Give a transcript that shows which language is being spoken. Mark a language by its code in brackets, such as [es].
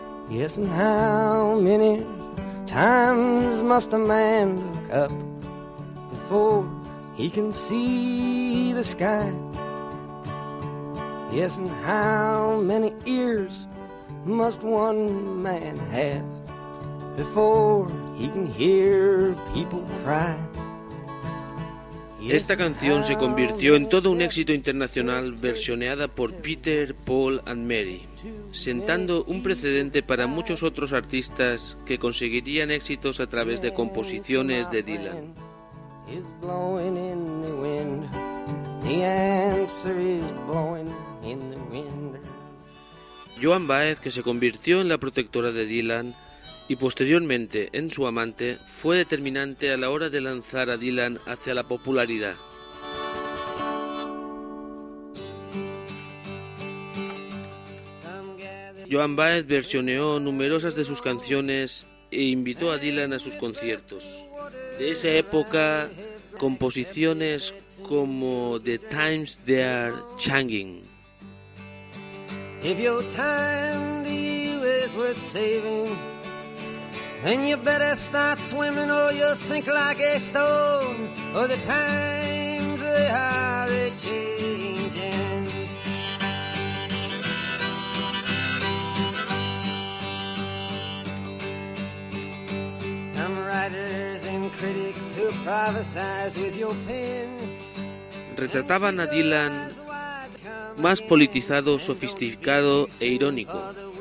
[en] Yes, and how many times must a man look up before he can see the sky? Yes, and how many ears must one man have before he can hear people cry? [es] Esta canción se convirtió en todo un éxito internacional versioneada por Peter, Paul and Mary, sentando un precedente para muchos otros artistas que conseguirían éxitos a través de composiciones de Dylan. [en] Is blowing in the wind. The answer is blowing in the wind. [es] Joan Baez, que se convirtió en la protectora de Dylan y posteriormente en su amante, fue determinante a la hora de lanzar a Dylan hacia la popularidad. Joan Baez versioneó numerosas de sus canciones e invitó a Dylan a sus conciertos. De esa época, composiciones como The Times They Are Changing. [en] If your time to you is worth saving, then you better start swimming or you'll sink like a stone. Oh, the times they are changing. I'm writers and critics who prophesize with your pen. [es] Retrataban a Dylan más politizado, sofisticado e irónico.